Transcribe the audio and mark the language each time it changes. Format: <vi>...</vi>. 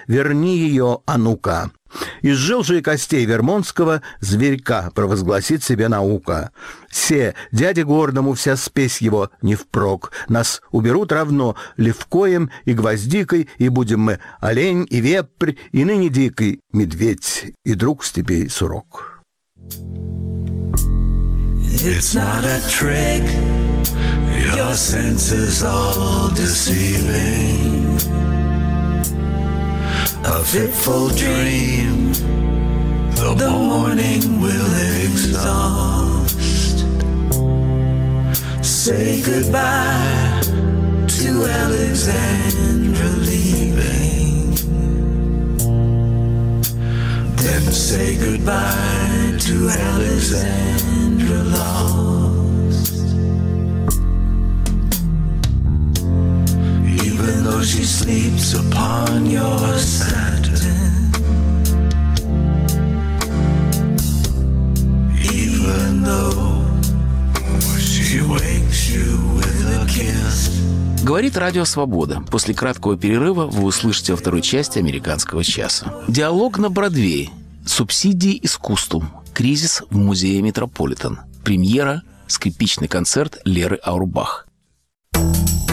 <ru>Верни ее, Анука. Из жил же и костей вермонтского зверька провозгласит себе наука. Се, дяде гордому вся спесь его не впрок. Нас уберут равно левкоем и гвоздикой, и будем мы олень и вепрь, и ныне дикой медведь, и друг степей сурок.</ru> <en>It's not a trick, your senses all deceiving. A fitful dream, the morning will exhaust. Say goodbye to Alexandra leaving. Then say goodbye to Alexandra lost. Even though she sleeps upon your side. Even though she wakes you with a kiss.</en> <ru>Говорит Радио Свобода. После краткого перерыва вы услышите во второй части «Американского часа». Диалог на Бродвее. Субсидии искусству. Кризис в музее Метрополитен. Премьера. Скрипичный концерт Леры Аурбах.</ru> <en>We'll be right back.</en>